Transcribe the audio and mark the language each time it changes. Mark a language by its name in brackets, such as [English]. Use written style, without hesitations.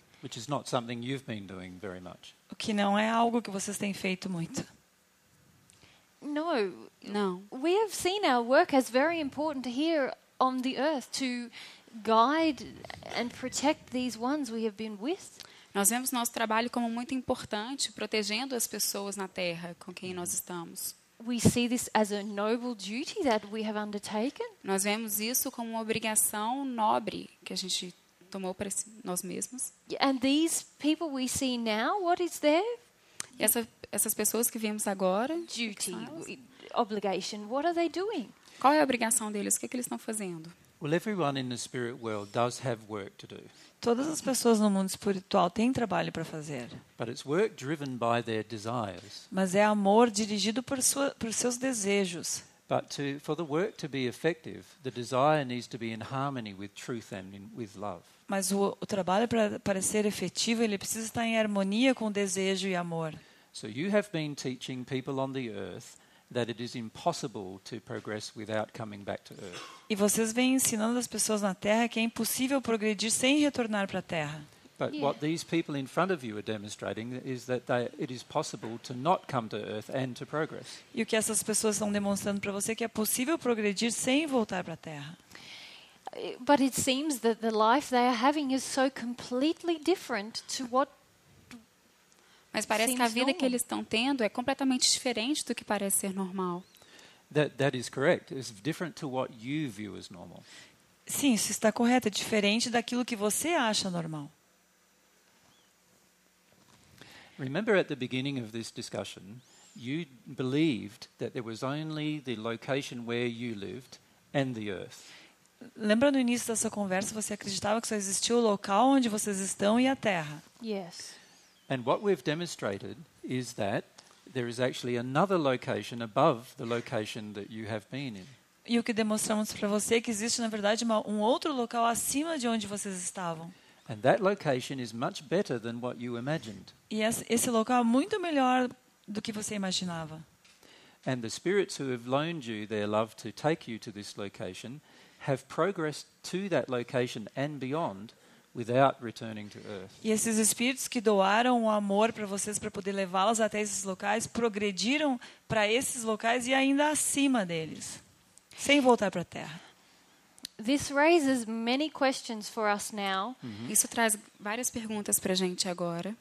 [English] Which is not something you've been doing very much. [Portuguese] O que não é algo que vocês têm feito muito. [English] No. No. We have seen our work as very important here on the earth to guide and protect these ones we have been with. [Portuguese] Nós vemos nosso trabalho como muito importante, protegendo as pessoas na Terra com quem nós estamos. [English] We see this as a noble duty that we have undertaken. [Portuguese] Nós vemos isso como uma obrigação nobre que a gente tomou para nós mesmos. [English] And these people we see now, what is their? [Portuguese] Essas pessoas que vemos agora, [English] duty, obligation, what are they doing? [Portuguese] Qual é a obrigação deles? O que, é que eles estão fazendo? [English] Well, everyone in the spirit world does have work to do. [Portuguese] Todas as pessoas no mundo espiritual têm trabalho para fazer. [English] But it's work driven by their desires. [Portuguese] Mas é amor dirigido por seus desejos. [English] But for the work to be effective, the desire needs to be in harmony with truth and with love. [Portuguese] Mas o trabalho para ser efetivo, ele precisa estar em harmonia com desejo e amor. [English] So you have been teaching people on the earth that it is impossible to progress without coming back to earth. [Portuguese] E vocês vêm ensinando as pessoas na Terra que é impossível progredir sem retornar para a Terra. [English] But what these people in front of you are demonstrating is that it is possible to not come to earth and to progress. [Portuguese] E o que essas pessoas estão demonstrando para você é que é possível progredir sem voltar para a Terra. [English] But it seems that the life they are having is so completely different to what. [Portuguese] Mas parece que a vida que eles estão tendo é completamente diferente do que parece ser normal. [English] That is correct. It's different to what you view as normal. [Portuguese] Sim, isso está correto. É diferente daquilo que você acha normal. [English] Remember at the beginning of this discussion, you believed that there was only the location where you lived and the earth. [Portuguese] Lembra no início dessa conversa, você acreditava que só existia o local onde vocês estão e a Terra? [English] Yes. And what we've demonstrated is that there is actually another location above the location that you have been in. [Portuguese] E o que demonstramos para você é que existe na verdade um outro local acima de onde vocês estavam. [English] And that location is much better than what you imagined. [Portuguese] E esse local é muito melhor do que você imaginava. [English] And the spirits who have loaned you their love to take you to this location have progressed to that location and beyond. Without returning to earth. [Portuguese] E esses espíritos que doaram o amor para vocês para poder levá-los até esses locais progrediram para esses locais e ainda acima deles, sem voltar para a Terra. [English] This raises many questions for us now. [Portuguese] Isso traz várias perguntas para a gente agora.